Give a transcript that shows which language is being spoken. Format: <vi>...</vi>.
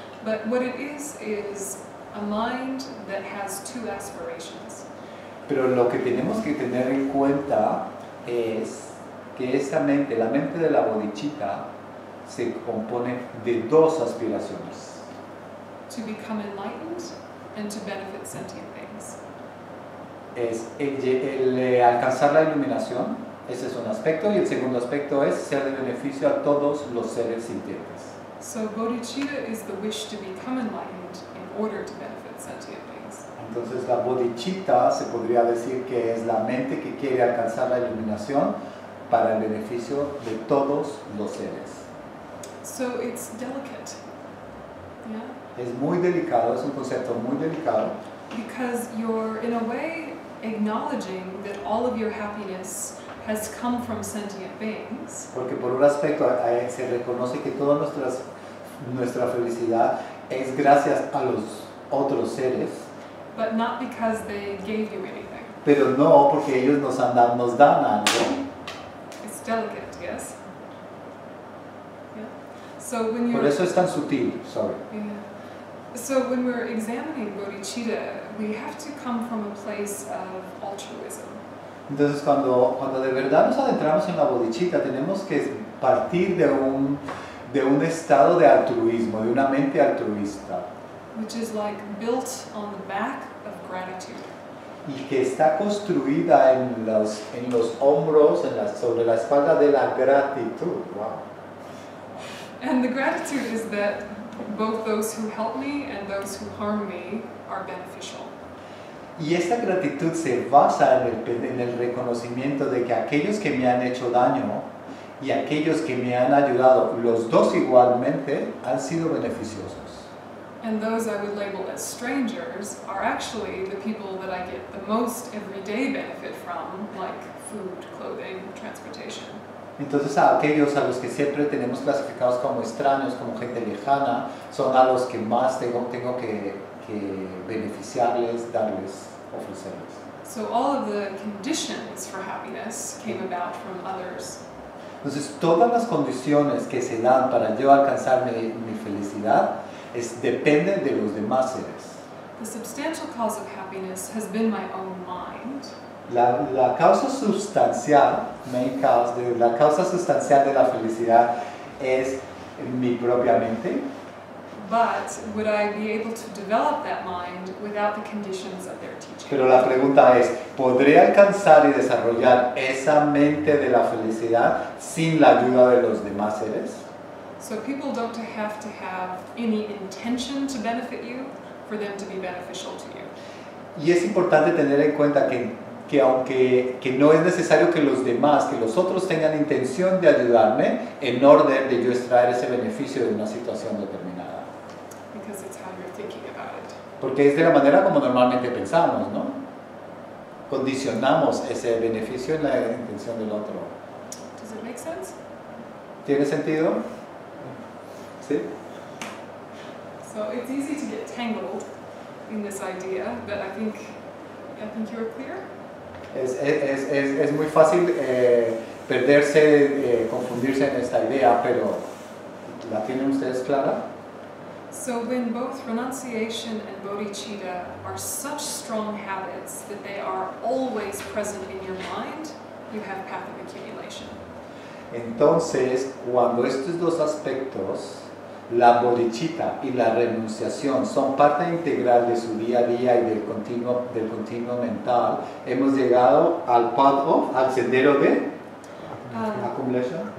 <en>But what it is a mind that has two aspirations.</en> <es>Pero lo que tenemos que tener en cuenta es que esta mente, la mente de la bodhicitta, se compone de dos aspiraciones.</es> <en>To become enlightened and to benefit sentient beings.</en> <es>Es el alcanzar la iluminación, ese es un aspecto, y el segundo aspecto es ser de beneficio a todos los seres sintientes.</es> <en>So bodhicitta is the wish to become enlightened in order to benefit sentient beings.</en> <es>Entonces la bodhicitta se podría decir que es la mente que quiere alcanzar la iluminación para el beneficio de todos los seres.</es> <en>So it's delicate. Yeah.</en> <es>Es muy delicado, es un concepto muy delicado.</es> <en>Because you're in a way acknowledging that all of your happiness has come from sentient beings.</en> <es>Porque por un aspecto se reconoce que toda nuestra felicidad es gracias a los otros seres.</es> <en>But not because they gave you anything.</en> <es>Pero no, porque ellos nos dan algo.</es> <en>It's delicate, yes. So when</en> <es>por eso es tan sutil, sorry.</es> <en>Yeah. So when we're examining bodhicitta, we have to come from a place of altruism.</en> <es>Entonces cuando de verdad nos adentramos en la bodhicitta, tenemos que partir de un estado de altruismo, de una mente altruista.</es> <en>Which is like built on the back of gratitude.</en> <es>Y que está construida en los hombros, sobre la espalda de la gratitud.</es> <en>Wow. And the gratitude is that both those who help me and those who harm me are beneficial.</en> <es>Y esta gratitud se basa en el reconocimiento de que aquellos que me han hecho daño y aquellos que me han ayudado, los dos igualmente, han sido beneficiosos.</es> <en>And those I would label as strangers are actually the people that I get the most everyday benefit from, like food, clothing, transportation.</en> <es>Entonces a aquellos a los que siempre tenemos clasificados como extraños, como gente lejana, son a los que más tengo que beneficiarles, darles, ofrecerles.</es> <en>So all of the conditions for happiness came about from others.</en> <es>Entonces todas las condiciones que se dan para yo alcanzar mi felicidad depende de los demás seres.</es> <en>The substantial cause of happiness has been my own mind.</en> <es>La causa sustancial de la felicidad es mi propia mente.</es> <en>But would I be able to develop that mind without the conditions of their teaching?</en> <es>Pero la pregunta es, ¿podré alcanzar y desarrollar esa mente de la felicidad sin la ayuda de los demás seres?</es> <en>So people don't have to have any intention to benefit you for them to be beneficial to you.</en> <es>Y es importante tener en cuenta que aunque que no es necesario que los demás, que los otros tengan intención de ayudarme en orden de yo extraer ese beneficio de una situación determinada.</es> <en>Because it's how you're thinking about it.</en> <es>Porque es de la manera como normalmente pensamos, ¿no? Condicionamos ese beneficio en la intención del otro.</es> <en>Does it make sense?</en> <es>¿Tiene sentido? ¿Sí?</es> <en>So it's easy to get tangled in this idea, but I think you're clear.</en> <es>Es muy fácil perderse, confundirse en esta idea, pero ¿la tienen ustedes clara?</es> <en>So when both renunciation and bodhicitta are such strong habits that they are always present in your mind, you have path of accumulation.</en> <es>Entonces, cuando estos dos aspectos, la bodhicitta y la renunciación, son parte integral de su día a día y del continuo mental, hemos llegado al</es> <en>path of,</en> <es>al sendero de accumulation.</es>